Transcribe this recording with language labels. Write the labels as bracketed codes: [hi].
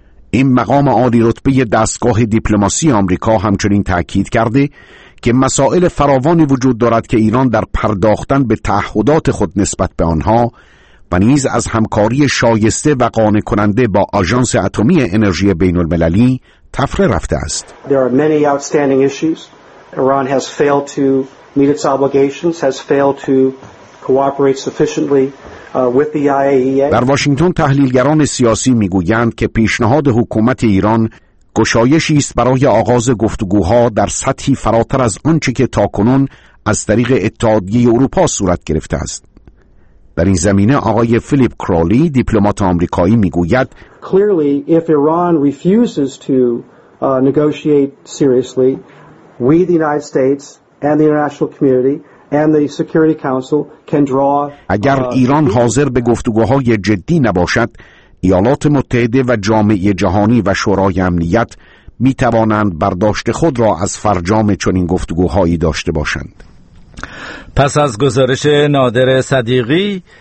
[fa] این مقام عالی رتبه دستگاه دیپلماسی آمریکا همچنین تأکید کرده که مسائل فراوانی وجود دارد که ایران در پرداختن به تعهدات خود نسبت به آنها و نیز از همکاری شایسته و قانع کننده با آژانس اتمی انرژی بین المللی تفره رفته است. [en] There are many outstanding issues. Iran has failed to meet its obligations, has failed to cooperate sufficiently with the IAEA. [fa] در واشنگتن تحلیلگران سیاسی میگویند که پیشنهاد حکومت ایران گشایشی است برای آغاز گفتگوها در سطحی فراتر از آنچه که تاکنون از طریق اتحادیه اروپا صورت گرفته است. در این زمینه آقای فیلیپ کرالی دیپلمات آمریکایی میگوید [en] Clearly if Iran refuses to negotiate seriously we the United States and the international community and the Security Council can draw [fa] اگر ایران حاضر به گفتگوهای جدی نباشد ایالات متحده و جامعه جهانی و شورای امنیت می توانند برداشت خود را از فرجام چنین گفتگوهایی داشته باشند. پس از گزارش نادر صدیقی،